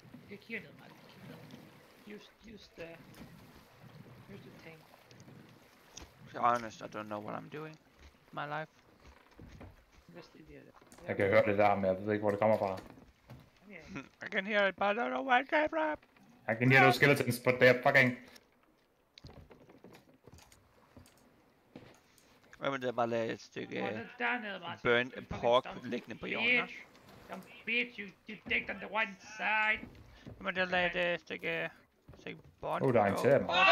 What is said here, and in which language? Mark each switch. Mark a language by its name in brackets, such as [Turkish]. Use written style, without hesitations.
[Danish] Jeg kigger ned, Martin. [English] Just the [Danish] ting. [English] Honest, I don't know what I'm doing. My life. [Danish] Jeg kan høre det der, men jeg ved ikke, hvor det kommer fra. [English] I can hear it, but I don't know where it came from. I can hear those skeletons, but they're fucking... [Danish] Hvad med det, jeg bare lagde et stykke... [English] burnt [Danish] pork liggende på jorden? [English] Some bitch, you dig on the one side. [Danish] Hvad med det, jeg lagde et stykke... stykke bond? Der er en til dem.